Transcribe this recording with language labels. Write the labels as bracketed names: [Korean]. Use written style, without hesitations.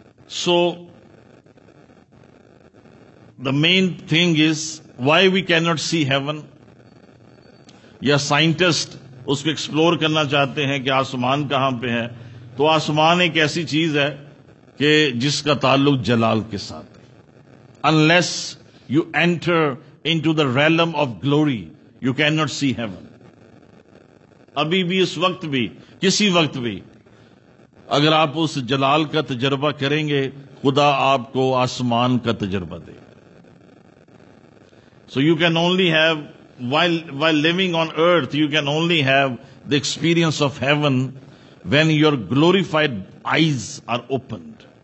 [English] so the main thing is why we can not see heaven, [Urdu] یا scientist اس کو explore کرنا چاہتے ہیں کہ آسمان کہاں پہ ہے, تو آسمان ایک ایسی چیز ہے کہ جس کا تعلق جلال کے ساتھ ہے. [English] Unless you enter into the realm of glory you can not see heaven. [Urdu] ابھی بھی, اس وقت بھی, کسی وقت بھی, اگر آپ اس جلال کا تجربہ کریں گے خدا آپ کو آسمان کا تجربہ دے. [English] So you can only have while living on earth, you can only have the experience of heaven when your glorified eyes are opened.